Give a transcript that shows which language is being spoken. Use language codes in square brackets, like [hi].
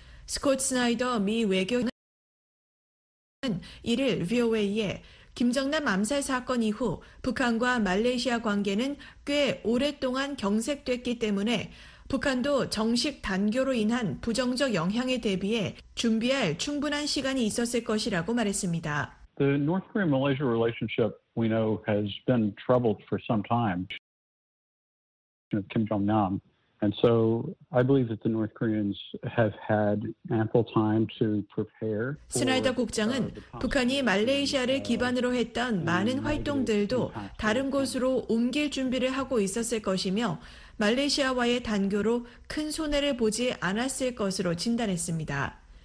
[ko] 스콧 스나이더 미 외교는 1일 VOA에 김정남 암살 사건 이후 북한과 말레이시아 관계는 꽤 오랫동안 경색됐기 때문에 북한도 정식 단교로 인한 부정적 영향에 대비해 준비할 충분한 시간이 있었을 것이라고 말했습니다. [en] The North Korea-Malaysia relationship we know has been troubled for some time. Kim Jong-nam. And so I believe that the North Koreans have had ample time to prepare. [ko] 스나이더 국장은 북한이 말레이시아를 기반으로 했던 많은 활동들도 다른 곳으로 옮길 준비를 하고 있었을 것이며 말레이시아와의 단교로 큰 손해를 보지 않았을 것으로 진단했습니다.